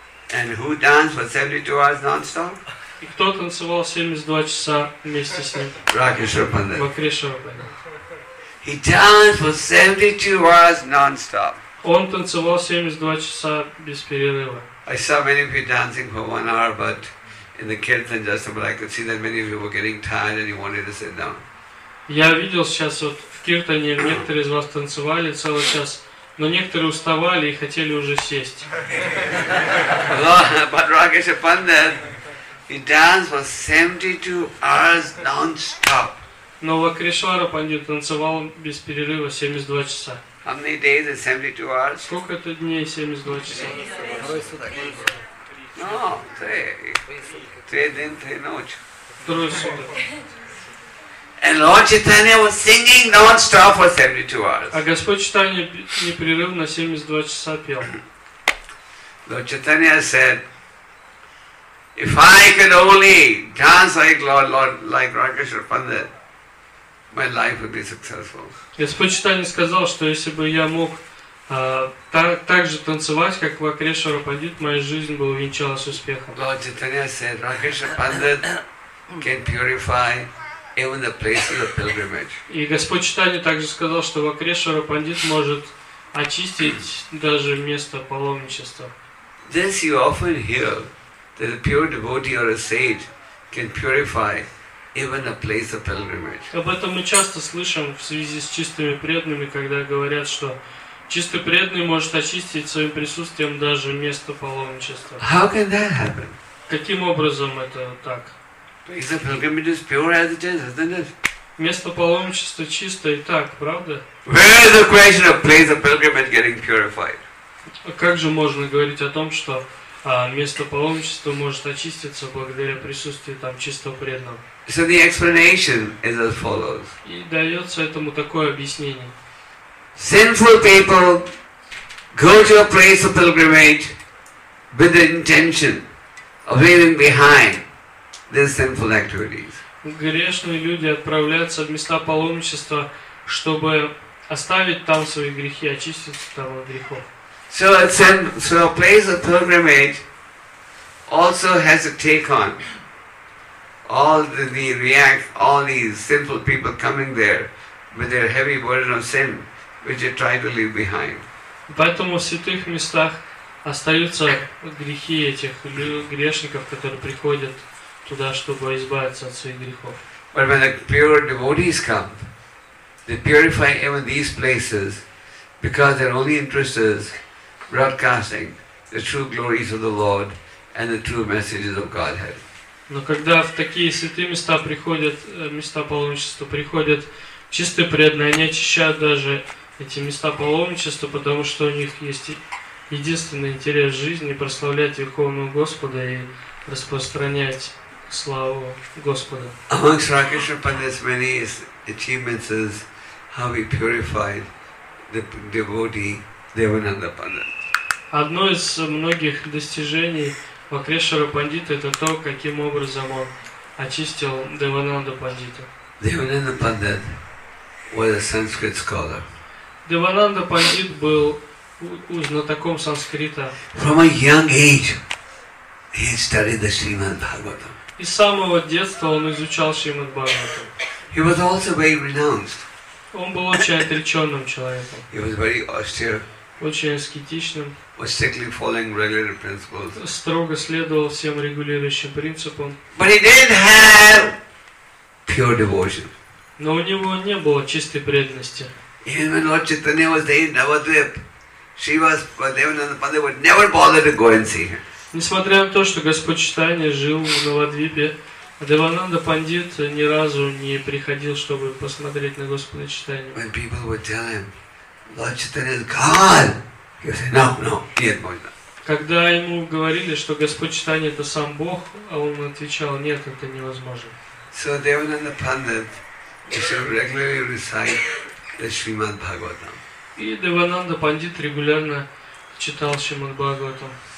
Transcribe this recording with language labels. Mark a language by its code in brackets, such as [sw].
[en] And who danced for 72 hours non-stop? [ru] И кто танцевал 72 часа вместе с ним? [en] Rakeshwar Pandit. [ru] Вакрешвара [en] Пандит. He danced for 72 hours non-stop. [ru] Он танцевал 72 часа без перерыва. [en] I saw many of you dancing for 1 hour, but in the kirtan just, but I could see that many of you were getting tired and you wanted to sit down. [ru] Я видел сейчас вот в киртане, некоторые из вас танцевали целый час, но некоторые уставали и хотели уже сесть. [en] But Rakeshwar Pandit, he danced for 72 hours non-stop. [ru] Но Вакрешвара Пандит танцевал без перерыва 72 часа. [en] How many days is 72 hours? [ru] Сколько это дней 72 часа? [en] No, three days, three nights. And Lord Chaitanya was singing non-stop for 72 hours. [ru] А Господь Читания непрерывно 72 часа пел. [en] Lord Chaitanya said, if I could only dance like Lord like Rakeshwar Pandit, my life would be successful. [ru] Господь Читания сказал, что если бы я мог так же танцевать, как Вакрешвара Пандит, моя жизнь была венчалась успехом. [en] Lord Chaitanya said, Rakeshwar Pandit can purify even the place of the pilgrimage. [ru] И Господь Читания также сказал, что Вакрешвара Пандит может очистить даже место паломничества. [en] This you often hear, that a pure devotee or a sage can purify even the place of pilgrimage. [ru] Об этом мы часто слышим в связи с чистыми преданными, когда говорят, что чистый преданный может очистить своим присутствием даже место паломничества. [en] How can that happen? [ru] Каким образом это так? [en] Is the pilgrimage as pure as it is, isn't it? [ru] Место паломничества чисто и так, правда? [en] Where is the question of place of pilgrimage getting purified? [ru] Как же можно говорить о том, что место паломничества может очиститься благодаря присутствию там чистого преданного? [en] So the explanation is as follows. [ru] И дается этому такое объяснение. [en] Sinful people go to a place of pilgrimage with the intention of leaving behind their sinful activities. [ru] Грешные люди отправляются в места паломничества, чтобы оставить там свои грехи, очиститься там от грехов. [en] So it's in, so a place of pilgrimage also has to take on all the react, all these sinful people coming there with their heavy burden of sin, which they try to leave behind. [ru] Поэтому в святых местах остаются грехи этих грешников, которые приходят туда, чтобы избавиться от своих грехов. [en] But when the pure devotees come, they purify even these places because their only interest is broadcasting the true glories of the Lord and the true messages of Godhead. [ru] Но когда в такие святые места приходят, места паломничества, приходят чистые преданные, они очищают даже эти места паломничества, потому что у них есть единственный интерес в жизни — прославлять Верховного Господа и распространять славу Господа. [en] Amongst Sri Krishna Pandit's many achievements is how we purified the devotee Devananda Pandit. [ru] Одно из многих достижений Вакрешвара Пандита — это то, каким образом он очистил Девананда Пандита. [en] Devananda Pandit was a Sanskrit scholar. [ru] Девананда Пандит был знатоком санскрита. [en] From a young age, he studied the Srimad Bhagavatam. [ru] И с самого детства он изучал Шримад Бхагаватам. [en] He was also very renounced. [ru] Он был очень отреченным человеком. [en] He was very austere. [ru] Очень аскетичным. [en] Was strictly following regulative principles. [ru] Строго следовал всем регулирующим принципам. [en] But he didn't have pure devotion. [ru] Но у него не было чистой преданности. [en] Even when Lord Chaitanya was there in Navadvip, Devananda Pandit would never bother to go and see him. [ru] Несмотря на то, что Господь Чайтанья жил в Навадвипе, Девананда Пандит ни разу не приходил, чтобы посмотреть на Господа Чайтанью. [en] When people would tell him, Lord Chaitanya is God, he would say, no, no, [ru] нет, можно. Когда ему говорили, что Господь Чайтанья — это сам Бог, а он отвечал, нет, это невозможно. [en] So Devananda Pandit should regularly recite the Srimad Bhagavatam. [ru] И Девананда Пандит регулярно читал Шримад Бхагаватам.